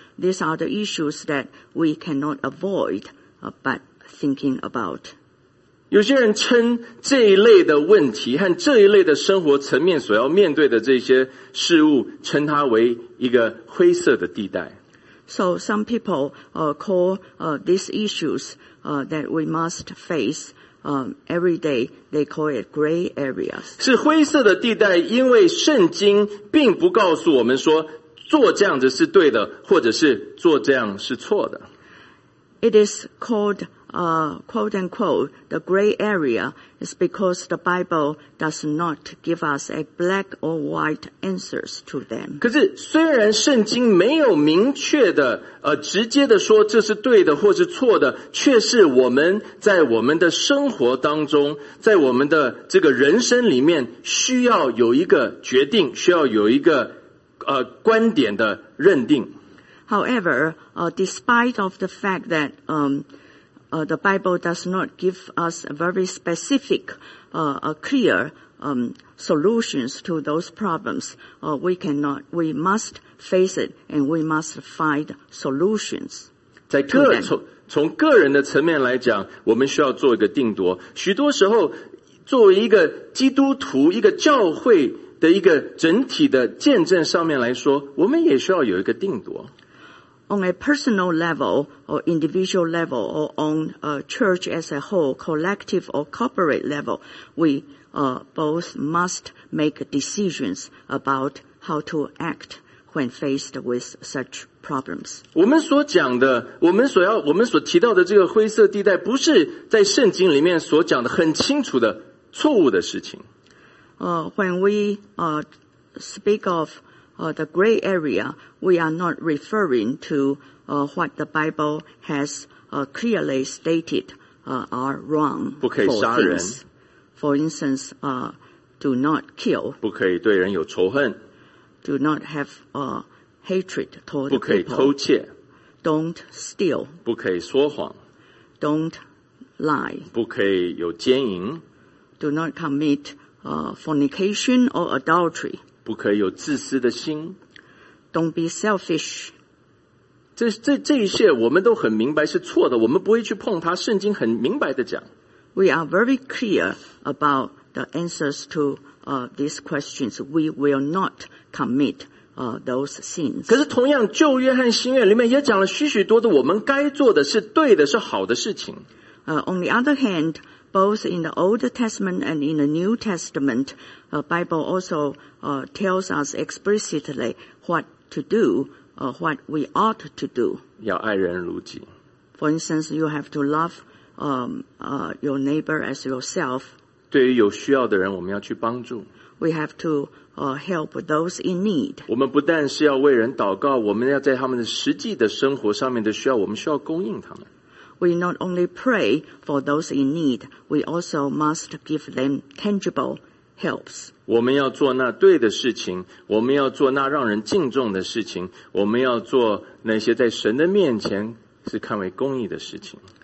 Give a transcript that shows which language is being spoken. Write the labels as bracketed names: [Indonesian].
[English] These are the issues that we cannot avoid but thinking about. [Chinese] 有些人称这一类的问题和这一类的生活层面所要面对的这些事物称它为一个灰色的地带。 [English] So some people call these issues that we must face every day, they call it gray areas. [Chinese] 是灰色的地带因为圣经并不告诉我们说做这样子是对的或者是做这样是错的。 [English] It is called, quote unquote, the gray area is because the Bible does not give us a black or white answers to them. [Chinese] 可是虽然圣经没有明确的直接的说这是对的或是错的却是我们在我们的生活当中在我们的这个人生里面需要有一个决定需要有一个观点的认定。 [English] However, despite of the fact that the Bible does not give us a very specific, clear solutions to those problems, we must face it and we must find solutions. [Chinese] 在个从个人的层面来讲，我们需要做一个定夺。许多时候，作为一个基督徒，一个教会的一个整体的见证上面来说，我们也需要有一个定夺。 [English] On a personal level or individual level or on a church as a whole, collective or corporate level, we both must make decisions about how to act when faced with such problems. [Chinese] 我们所讲的我们所提到的这个灰色地带不是在圣经里面所讲的很清楚的错误的事情。 [English] When we speak of the gray area, we are not referring to what the Bible has clearly stated are wrong. [Chinese] 不可以杀人。 [English] For instance, do not kill. [Chinese] 不可以对人有仇恨。 [English] Do not have hatred toward people. [Chinese] 不可以偷窃。 [English] Don't steal. [Chinese] 不可以说谎。 [English] Don't lie. [Chinese] 不可以有奸淫。 [English] Do not commit fornication or adultery. [Chinese] 不可以有自私的心。 [English] Don't be selfish. [Chinese] 这一切我们都很明白是错的，我们不会去碰它。圣经很明白的讲。 [English] We are very clear about the answers to these questions. We will not commit those sins. [Chinese] 可是同样，旧约和新约里面也讲了许许多的，我们该做的是对的，是好的事情。 [English] On the other hand. Both in the Old Testament and in the New Testament, the Bible also tells us explicitly what to do, what we ought to do. [Chinese] 要爱人如己。 [English] For instance, you have to love your neighbor as yourself. [Chinese] 对于有需要的人，我们要去帮助。 [English] We have to help those in need. [Chinese] 我们不但是要为人祷告，我们要在他们的实际的生活上面的需要，我们需要供应他们。 [English] We not only pray for those in need, we also must give them tangible helps. [Chinese] 我们要做那对的事情，我们要做那让人敬重的事情，我们要做那些在神的面前是看为公义的事情。